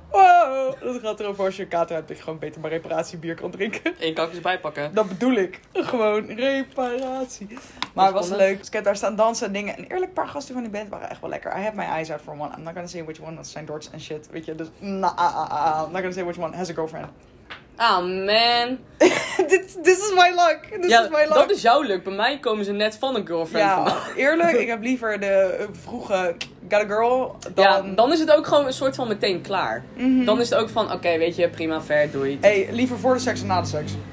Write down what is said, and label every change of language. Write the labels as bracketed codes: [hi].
[nl] Wow, dat gaat erover als je een kater hebt, dat je gewoon beter maar reparatiebier kan drinken. Eén kakjes bijpakken. Dat bedoel ik. Gewoon reparatie. Maar het was leuk. Dus ik heb daar staan dansen en dingen. En eerlijk, een paar gasten van die band waren echt wel lekker. [en] I have my eyes out for one. I'm not gonna say which one. [nl] Dat zijn Dorts en shit. Weet je, dus [en] I'm not gonna say which one has a girlfriend. Ah, man. this is my luck. This is my luck. [nl] Dat is jouw luck. Bij mij komen ze net van een girlfriend. Ja, eerlijk, ik heb liever de vroege got a girl. Dan... Ja, dan is het ook gewoon een soort van meteen klaar. Mm-hmm. Dan is het ook van, oké, weet je, prima, fair, doei. Hey, liever voor de seks dan na de seks.